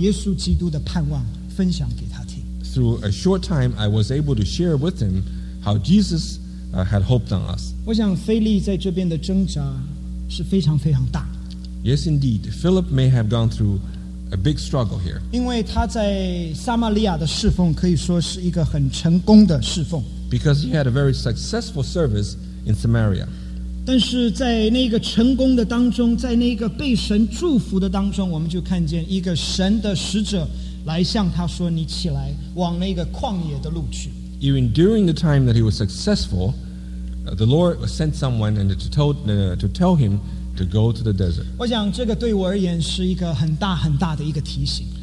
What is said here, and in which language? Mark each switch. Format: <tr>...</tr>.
<zh>有机会在短短的时间里面把耶稣基督的盼望分享给他听。</zh> <en>Through a short time, I was able to share with him how Jesus had hoped on us.</en> <zh>我想腓力在这边的挣扎是非常非常大。</zh> <en>Yes, indeed. Philip may have gone through a big struggle here.</en> <zh>因为他在撒玛利亚的侍奉可以说是一个很成功的侍奉。</zh> <en>Because he had a very successful service in Samaria.</en> <zh>但是在那个成功的当中，在那个被神祝福的当中，我们就看见一个神的使者来向他说：“你起来，往那个旷野的路去。”</zh> <en>Even during the time that he was successful, the Lord sent someone and to tell him to go to the desert.</en> <zh>我想这个对我而言是一个很大很大的一个提醒。</zh>